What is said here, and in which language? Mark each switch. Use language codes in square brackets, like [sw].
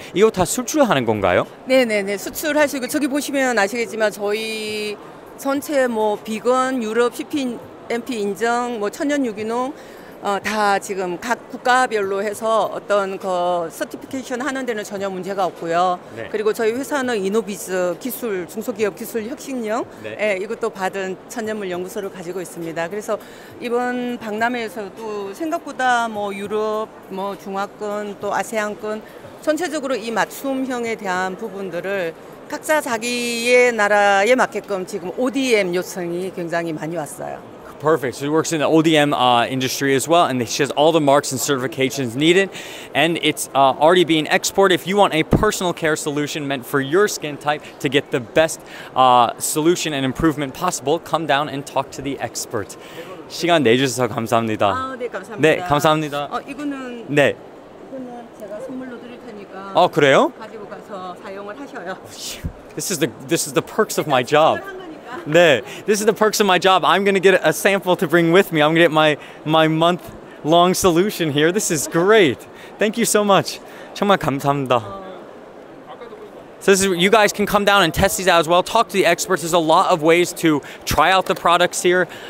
[ko] 이거 다 수출하는 건가요? 네네네, 수출하시고 저기 보시면 아시겠지만 저희 전체 뭐 비건, 유럽, CPMP 인증, 뭐 천연 유기농 다 지금 각 국가별로 해서 어떤 그 서티피케이션 하는 데는 전혀 문제가 없고요. 네. 그리고 저희 회사는 이노비즈 기술, 중소기업 기술 혁신형 네. 예, 이것도 받은 천연물 연구소를 가지고 있습니다. 그래서 이번 박람회에서도 생각보다 뭐 유럽, 뭐 중화권, 또 아세안권 전체적으로 이 맞춤형에 대한 부분들을 각자 자기의 나라에 맞게끔 지금 ODM 요청이 굉장히 많이 왔어요. [en] Perfect. So she works in the ODM industry as well, and she has all the marks and certifications needed. And it's already being exported. If you want a personal care solution meant for your skin type to get the best solution and improvement possible, come down and talk to the expert. [ko] 시간 내주셔서 감사합니다. 아, 네, 감사합니다. 네, 감사합니다. 이거는 네. 이거는 제가 선물로 드릴 테니까. 어, 그래요? 가지고 가서 사용을 하셔요. [en] This is the perks of my job. [ko] 네, [en] this is the perks of my job. I'm going to get a sample to bring with me. I'm going to get my month long solution here. This is great. Thank you so much. [ko] 정말 감사합니다. [en] So this is, you guys can come down and test these out as well. Talk to the experts. There's a lot of ways to try out the products here.